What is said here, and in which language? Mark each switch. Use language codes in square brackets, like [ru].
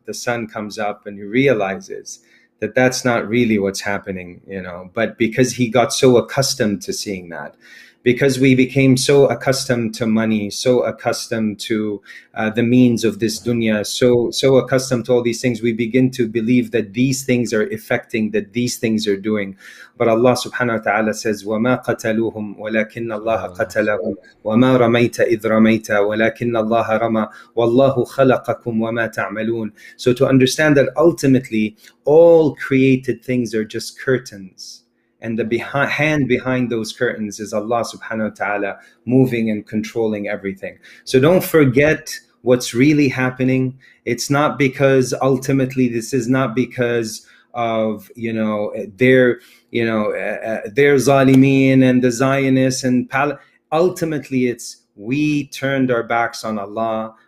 [en] The sun comes up and he realizes that that's not really what's happening, you know, but because he got so accustomed to seeing that. Because we became so accustomed to money, so accustomed to the means of this dunya, so accustomed to all these things, we begin to believe that these things are affecting, that these things are doing. But Allah subhanahu wa ta'ala says, [ar] وَمَا قَتَلُوهُمْ وَلَكِنَّ اللَّهَ قَتَلَهُمْ وَمَا رَمَيْتَ إِذْ رَمَيْتَ وَلَكِنَّ اللَّهَ رَمَى وَاللَّهُ خَلَقَكُمْ وَمَا تَعْمَلُونَ. [en] So to understand that ultimately, all created things are just curtains. And the hand behind those curtains is Allah subhanahu wa ta'ala moving and controlling everything. So don't forget what's really happening. It's not because ultimately this is not because of, you know, their zalimeen and the Zionists and ultimately it's we turned our backs on Allah.